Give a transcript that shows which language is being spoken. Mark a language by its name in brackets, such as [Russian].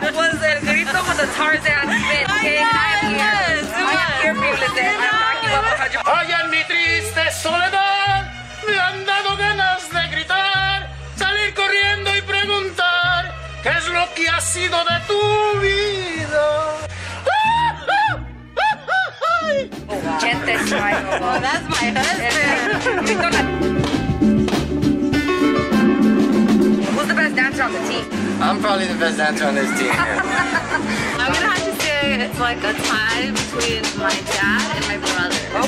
[English] That was el grito with the Tarzan spin. I am here, people. I'm backing up 100%. [Spanish] Ay, en mi triste soledad, me han dado ganas de gritar, salir corriendo y preguntar, ¿qué es lo que ha sido de tu vida? [English] Oh, that's my husband. Who's the best dancer on the team? I'm probably the best dancer on this team. I'm gonna have to say it's like a tie between my dad and my brother.